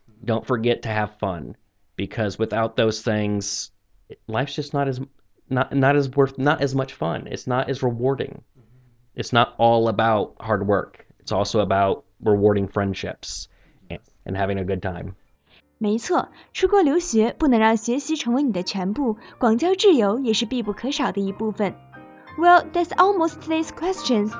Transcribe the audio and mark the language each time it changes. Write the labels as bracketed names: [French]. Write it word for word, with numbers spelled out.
[English] Don't forget to have fun, because without those things, life's just not as not not as worth not as much fun. It's not as rewarding. It's not all about hard work. It's also about rewarding friendships and having a good time. [Chinese] 没错，出国留学不能让学习成为你的全部，广交挚友也是必不可少的一部分。 [English] Well, that's almost today's questions.